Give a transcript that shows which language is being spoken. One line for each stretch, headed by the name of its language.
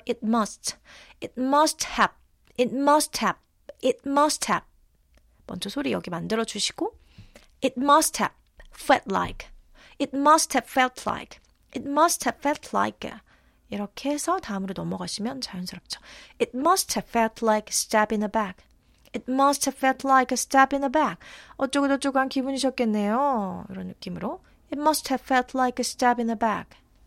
English: It must It must have It must have It must have
Korean: 먼저 소리 여기 만들어 주시고
English: It must have felt like It must have felt like It must have felt like
Korean: 이렇게 해서 다음으로 넘어가시면 자연스럽죠.
English: It must have felt like a stab in the back. It must have felt like a stab in the back.
Korean: 어쩌고저쩌고 한 기분이셨겠네요. 이런 느낌으로.
English: It must have felt like a stab in the back.